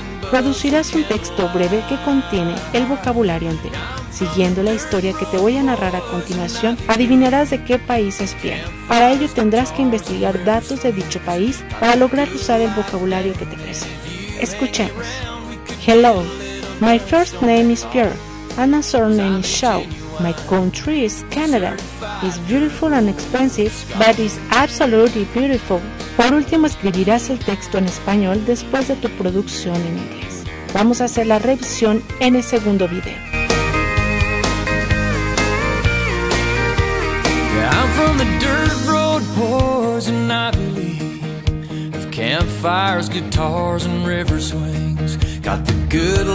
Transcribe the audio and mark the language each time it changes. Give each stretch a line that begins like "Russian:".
Spanish: Producirás un texto breve que contiene el vocabulario entero. Siguiendo la historia que te voy a narrar a continuación, adivinarás de qué país es Pierre. Para ello tendrás que investigar datos de dicho país para lograr usar el vocabulario que te presento. Escuchemos.
English: Hello, my first name is Pierre, and my surname is Shaw. My country is Canada. It's beautiful and expensive, but it's absolutely beautiful.
Spanish: Por último, escribirás el texto en español después de tu producción en inglés. Vamos a hacer la revisión en el segundo video.
English: I'm from the dirt road, poison ivy leaf, of campfires, guitars, and river swings. Got the good life.